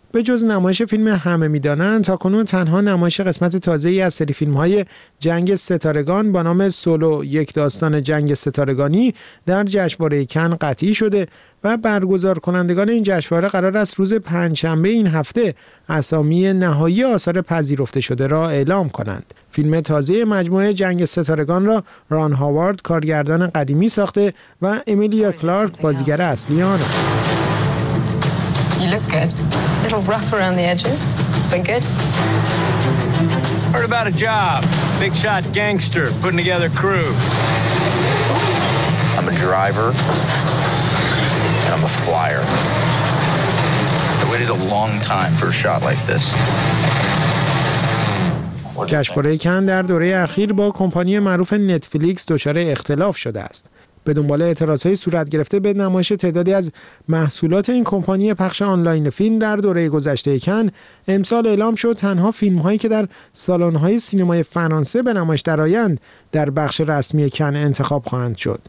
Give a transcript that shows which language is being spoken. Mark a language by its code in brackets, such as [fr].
[fa] به جز نمایش فیلم همه می‌دانند، تا کنون تنها نمایش قسمت تازه‌ای از سری فیلم‌های جنگ ستارگان با نام سولو، یک داستان جنگ ستارگانی در جشنواره کن قطعی شده و برگزار کنندگان این جشنواره قرار است روز پنجشنبه این هفته اسامی نهایی آثار پذیرفته شده را اعلام کنند. فیلم تازه مجموعه جنگ ستارگان را ران هاوارد کارگردان قدیمی ساخته و امیلیا کلارک بازیگر اصلی آن است. [en] A little rough around the edges, but good. Heard about a job. Big shot gangster putting together a crew. I'm a driver. And I'm a flyer. I waited a long time for a shot like this. [fa] جشنواره کن در دوره اخیر با کمپانی معروف نتفلیکس دچار اختلاف شده است. به دنبال اعتراض‌های صورت گرفته به نمایش تعدادی از محصولات این کمپانی پخش آنلاین فیلم در دوره گذشته کن، امسال اعلام شد تنها فیلم‌هایی که در سالن‌های سینمای فرانسه به نمایش درآیند در بخش رسمی کن انتخاب خواهند شد.